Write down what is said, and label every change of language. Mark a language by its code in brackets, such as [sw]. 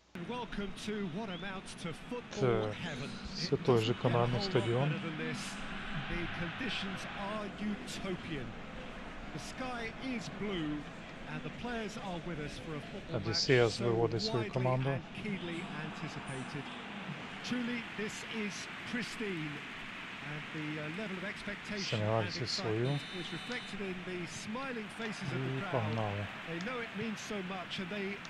[en] Welcome to what amounts to football heaven. [uk] Це той же канадний стадіон. [en] The conditions are utopian. The sky is blue. And the players are with us for a football match so widely and keenly anticipated. Truly, this is pristine. And the level of expectation and excitement is reflected in the smiling faces of the crowd. They know it means so much and they